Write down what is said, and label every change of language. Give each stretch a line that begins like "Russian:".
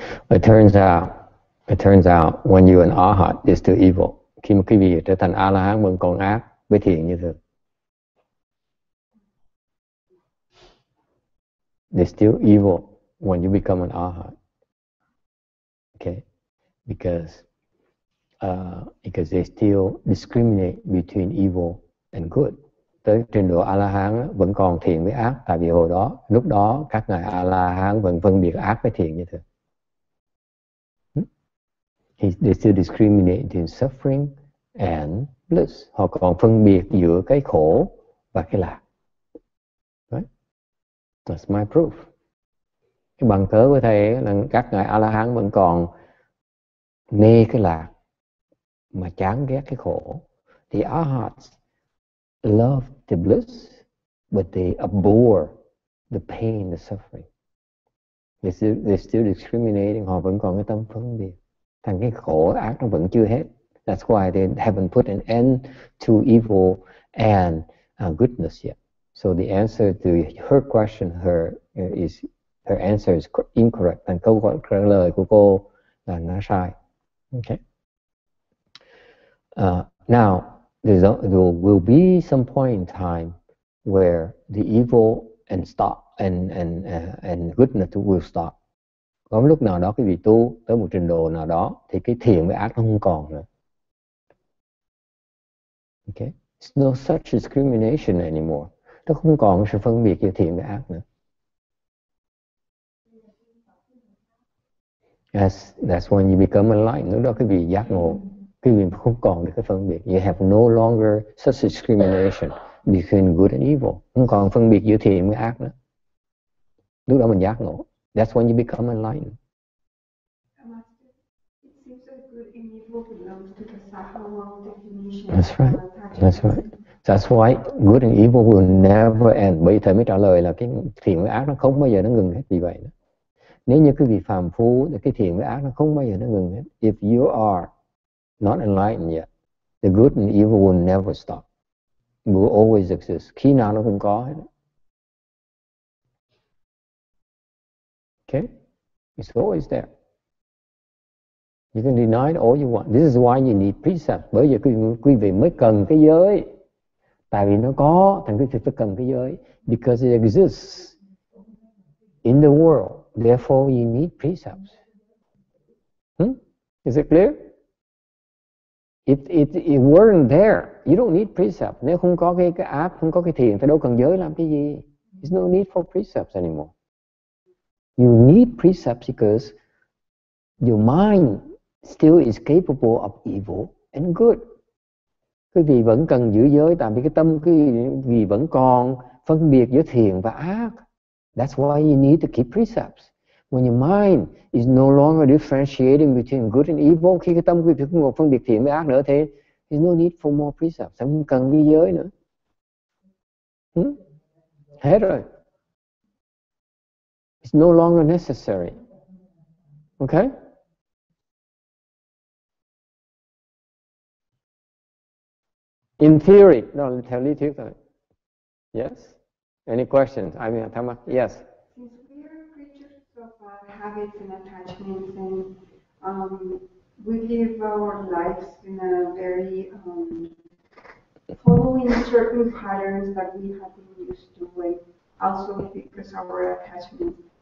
English: It turns out when you're an arhat, it's still evil.
Vietnamese: Khi mà quý vị trở thành A-la-hán vẫn còn ác với thiện như thường.
English: there's still evil when you become an arhat. Okay, because they still discriminate between evil and good.
Vietnamese: Tới trình độ A-la-hán vẫn còn thiện với ác, tại vì hồi đó, lúc đó các ngài A-la-hán vẫn phân biệt ác với thiện như thế.
English: They still discriminate between suffering and bliss.
Vietnamese: Họ còn phân biệt giữa cái khổ và cái lạc.
English: Right? That's my proof.
Vietnamese: Cái bằng cớ của thầy là các ngài A-la-hán vẫn còn nê cái lạc mà chán ghét cái khổ.
English: The arhats love the bliss, but they abhor the pain, the suffering. They're still discriminating.
Vietnamese: Họ vẫn còn cái tâm phân biệt. Thành cái khổ ác nó vẫn chưa hết.
English: That's why they haven't put an end to evil and goodness yet. So the answer to her question, her answer is incorrect.
Vietnamese: And câu trả lời của cô là nó sai.
English: Okay. Now there will be some point in time where the evil and stop and goodness will stop.
Vietnamese: Có lúc nào đó cái vị tu tới một trình độ nào đó thì cái thiện với ác nó không còn nữa.
English: Okay, it's no such discrimination anymore.
Vietnamese: Nó không còn sự phân biệt giữa thiện với ác nữa.
English: That's when you become enlightened.
Vietnamese: Lúc đó cái vị giác ngộ, cái vị không còn được cái phân biệt.
English: You have no longer such discrimination between good and evil.
Vietnamese: Không còn phân biệt giữa thiện với ác nữa. Lúc đó mình giác ngộ.
English: That's when you become enlightened. It seems that good and evil belongs to the Sahamaya definition. That's right. That's why good and evil will never end.
Vietnamese: Bởi thầy mới trả lời là cái thiện với ác nó không bao giờ nó ngừng hết vì vậy. Đó. Nếu như cái vị phàm phu thì cái thiện với ác nó không bao giờ nó ngừng hết.
English: If you are not enlightened yet, the good and evil will never stop. Will always exist.
Vietnamese: Khi nào nó cũng có hết.
English: Okay, it's always there. You can deny it all you want. This is why you need precept.
Vietnamese: Bởi vì quý vị mới cần cái giới. Tại vì nó có, thành quý vị phải cần cái giới.
English: Because it exists in the world. Therefore, you need precepts. Is it clear? It weren't there. You don't need precepts.
Vietnamese: Nếu không có cái ác, không có cái thiện, thì đâu cần giới làm cái gì.
English: There's no need for precepts anymore. You need precepts because your mind still is capable of evil and good.
Vietnamese: Quý vị vẫn cần giữ giới, tại vì cái tâm quý vị vẫn còn phân biệt giữa thiện và ác.
English: That's why you need to keep precepts. When your mind is no longer differentiating between good and evil,
Vietnamese: khi cái tâm quý vị không còn phân biệt thiện và ác nữa,
English: thì there's no need for more precepts.
Vietnamese: Không cần giữ giới nữa. Hết rồi.
English: It's no longer necessary. Okay? In theory, no,
Vietnamese: theo lý thuyết thôi.
English: Yes? Any questions? I mean, Thamma, yes. Since we are creatures of habits and attachments, and we live our lives in a very following certain patterns that we have been used to, and also because of our attachments.